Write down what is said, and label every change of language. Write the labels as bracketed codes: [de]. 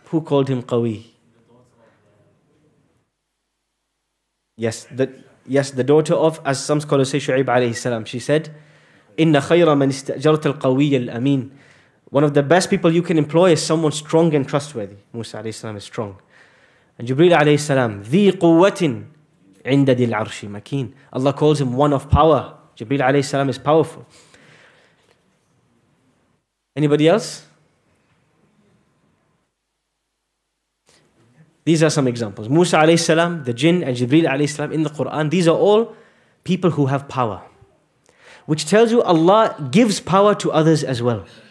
[en] Who called him قَوِي? Yes, the daughter of, as some scholars say, Shu'ib عليه السلام. She said, [ar] إِنَّ خَيْرَ مَنِ اسْتَأْجَرْتَ الْقَوِيَ الْأَمِينَ. [en] One of the best people you can employ is someone strong and trustworthy. Musa alayhi salam is strong. And Jibreel alayhi salam, [ar] ذي قوة عند ذي العرش مكين. [en] Allah calls him one of power. Jibreel alayhi salam is powerful. Anybody else? These are some examples. Musa alayhi salam, the jinn, and Jibreel alayhi salam in the Quran, these are all people who have power, which tells you Allah gives power to others as well.